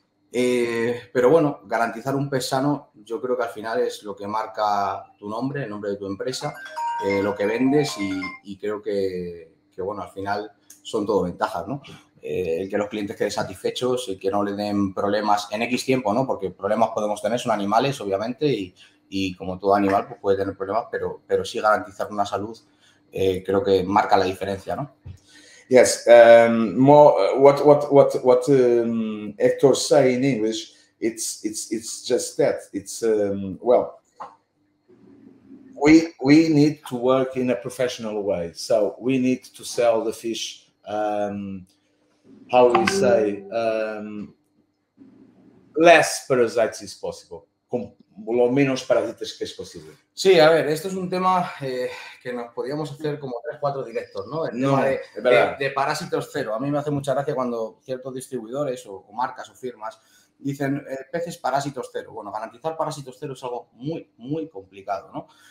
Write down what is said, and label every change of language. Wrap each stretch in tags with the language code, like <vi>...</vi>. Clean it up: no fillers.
<es>Pero bueno, garantizar un pez sano, yo creo que al final es lo que marca tu nombre, el nombre de tu empresa, lo que vendes y creo que bueno, al final son todo ventajas, ¿no? El que los clientes queden satisfechos, el que no le den problemas en X tiempo, ¿no? Porque problemas podemos tener, son animales, obviamente, y como todo animal, pues puede tener problemas, pero sí garantizar una salud, creo que marca la diferencia, ¿no?</es> <en>Yes, more what Hector say in English, it's just that. It's well, we need to work in a professional way. So we need to sell the fish how we say less parasites as possible.</en> <es>Lo menos parásitos que es posible. Sí, a ver, esto es un tema que nos podríamos hacer como 3-4 directos, ¿no? El no, tema de parásitos cero. A mí me hace mucha gracia cuando ciertos distribuidores o marcas o firmas dicen peces parásitos cero. Bueno, garantizar parásitos cero es algo muy, muy complicado, ¿no?</es>